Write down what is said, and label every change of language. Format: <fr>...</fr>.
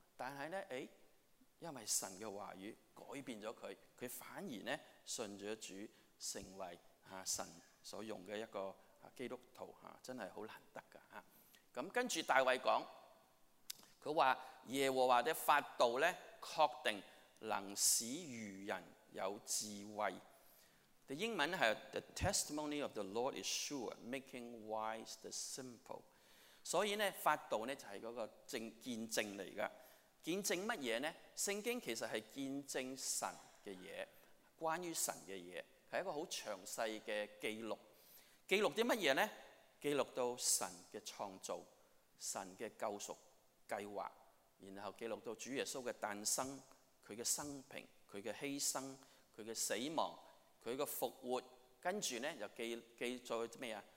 <zh>但是呢，因为神的话语改变了他，他反而呢信了主，成为神所用的一个基督徒，真是很难得的。跟着大卫说，他说耶和华的法度呢确定能使愚人有智慧。</zh> <en>The</en> <zh>英文是</zh> <en>The testimony of the Lord is sure, making wise the simple.</en> <zh>所以呢法度呢就是那个证见证来的。见证什么呢？圣经其实是见证神的东西，关于神的东西，是一个很详细的记录。记录什么呢？记录到神的创造，神的救赎计划，然后记录到主耶稣的诞生，他的生平，他的牺牲，他的死亡，他的复活，跟着呢又记载什么？</zh>